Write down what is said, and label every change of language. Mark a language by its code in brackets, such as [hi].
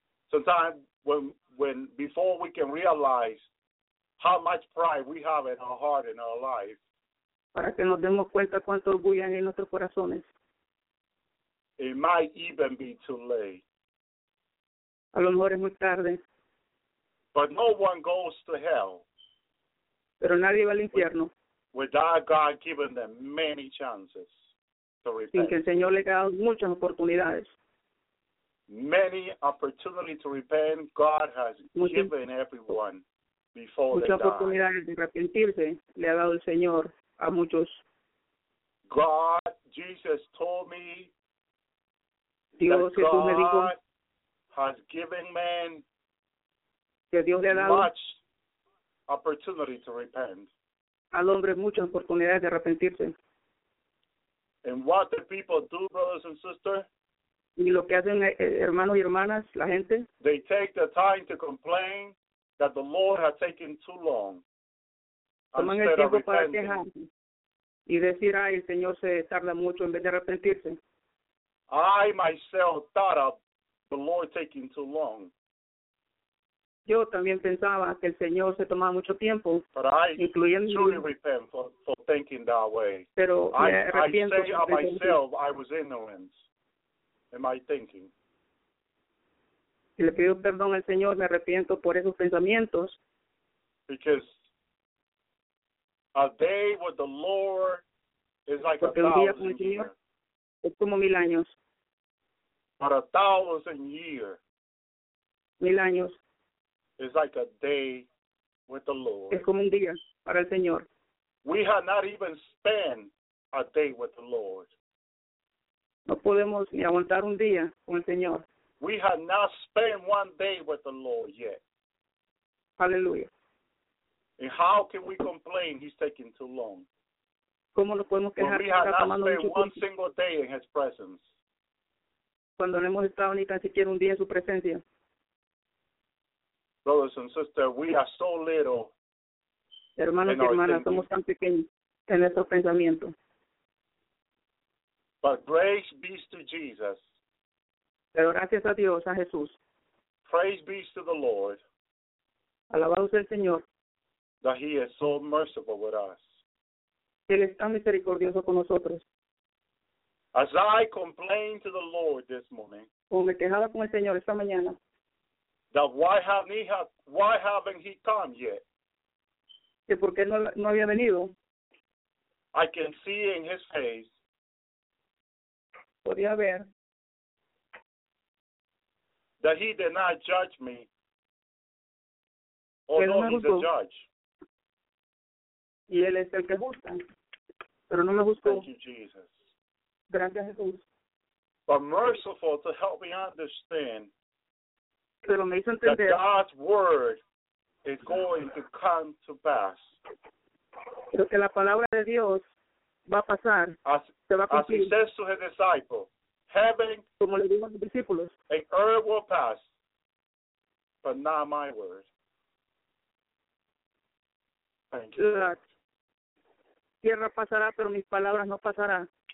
[en] Sometimes when before we can realize how much pride we have in our heart and our life. [es] Para que nos demos cuenta cuánto orgullo hay en nuestros corazones. [en] It might even be too late. [es] A lo mejor es muy tarde. [en] But no one goes to hell. [es] Pero nadie va al infierno. [en] Without God giving them many chances to repent. [es] Sin que el Señor le haya dado muchas oportunidades. [en] Many opportunities to repent God has given everyone before they die. [es] Muchas oportunidades de arrepentirse le ha dado el Señor a muchos. [en] God, Jesus told me [es] Dios, [en] that God [es] me dijo, [en] has given man [es] que Dios le ha dado [en] much opportunity to repent. [es] Al hombre muchas oportunidades de arrepentirse. [en] And what do people do, brothers and sisters? [es] Y lo que hacen hermanos y hermanas, la gente. [en] They take the time to complain that the Lord has taken too long. [es] Toman el tiempo para quejarse y decir, ay, el Señor se tarda mucho en vez de arrepentirse. [en] I myself thought of the Lord taking too long. [es] Yo también pensaba que el Señor se tomaba mucho tiempo, [en] but I [es] incluyendo. [en] Truly repent for thinking that way. [es] Pero me arrepiento. [en] I say of myself, I was ignorant in my thinking. [es] Y le pido perdón al Señor, me arrepiento por esos pensamientos. [en] Because a day with the Lord is like [es] porque [en] a thousand [es] días con el Señor es como mil años. [en] But a thousand years [es] mil años [en] is like a day with the Lord. [es] Es como un día para el Señor. [en] We have not even spent a day with the Lord. [es] No podemos ni aguantar un día con el Señor. [en] We have not spent one day with the Lord yet. Hallelujah. And how can we complain he's taking too long? [es] ¿Cómo nos podemos quejar [en] when we have [es] que está tomando [en] not [es] mucho [en] spent [es] tiempo? [en] One single day in his presence. [es] Cuando no hemos estado ni tan siquiera un día en su presencia. [en] Brothers and sisters, we are so little. [es] Hermanos y hermanas, somos tan pequeños en nuestro pensamiento. [en] But grace be to Jesus. [es] Pero gracias a Dios, a Jesús. [en] Praise be to the Lord. [es] Alabado sea el Señor. [en] That he is so merciful with us. [es] Él es tan misericordioso con nosotros. [en] As I complained to the Lord this morning. [es] Como me quejaba con el Señor esta mañana. [en] That why haven't he come yet? [es] Que por qué no había venido. [en] I can see in his face. [es] Podía ver. [en] That he did not judge me. [es] Pero [en] although [es] no [en] he's a judge. [es] Y él es el que juzga. Pero no me juzgó. [en] Thank you, Jesus. [es] Gracias, Jesús. [en] But merciful to help me understand. [es] Pero me hizo entender [en] that God's word is going to come to pass. [es] Pero que la palabra de Dios va a pasar, [en] as, [es] se va a cumplir. [en] As he says to his disciples, heaven [es] como le digo a los discípulos, [en] and earth will pass, but not my word. Thank you. [es] La tierra pasará, pero mis palabras no pasarán.